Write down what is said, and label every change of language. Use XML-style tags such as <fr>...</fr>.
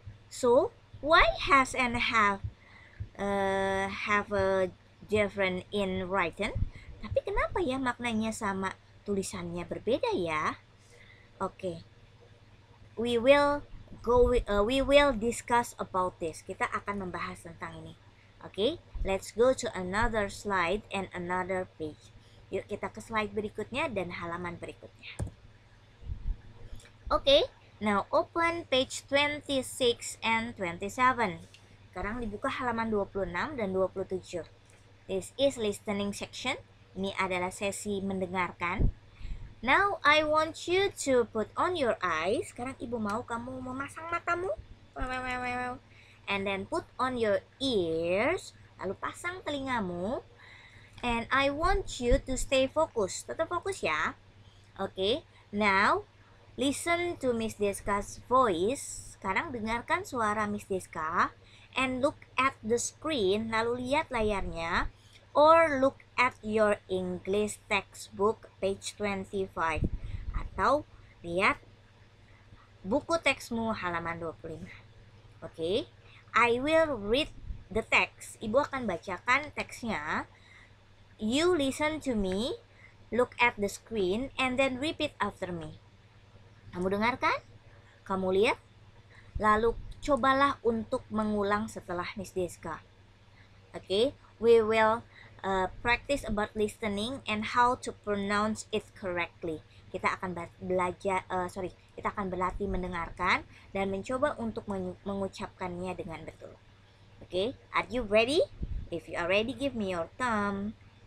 <en>So, why has and have a different in writing?</en> <id>Tapi kenapa ya maknanya sama, tulisannya berbeda ya?</id> <en>Okay, we will discuss about this.</en> <id>Kita akan membahas tentang ini.</id> <en>Okay, let's go to another slide and another page.</en> <id>Yuk kita ke slide berikutnya dan halaman berikutnya.</id> <en>Okay. Now, open page 26 and 27.</en> <id>Sekarang dibuka halaman 26 dan 27.</id> <en>This is listening section.</en> <id>Ini adalah sesi mendengarkan.</id> <en>Now, I want you to put on your eyes.</en> <id>Sekarang ibu mau kamu memasang matamu.</id> <en>And then put on your ears.</en> <id>Lalu pasang telingamu.</id> <en>And I want you to stay focus.</en> <id>Tetap fokus ya.</id> <en>Okay, now listen to Miss Deska's voice.</en> <id>Sekarang dengarkan suara Miss Deska</id> <en>and look at the screen,</en> <id>lalu lihat layarnya,</id> <en>or look at your English textbook page 25,</en> <id>atau lihat buku teksmu halaman 25.</id> <en>Okay, I will read the text.</en> <id>Ibu akan bacakan teksnya.</id> <en>You listen to me, look at the screen, and then repeat after me.</en> <id>Kamu dengarkan, kamu lihat, lalu cobalah untuk mengulang setelah Miss Deska.</id> <en>Okay, we will practice about listening and how to pronounce it correctly.</en> <id>kita akan belajar, sorry, kita akan berlatih mendengarkan dan mencoba untuk mengucapkannya dengan betul.</id> <en>Oke, okay? Are you ready? If you are ready, give me your thumb.</en>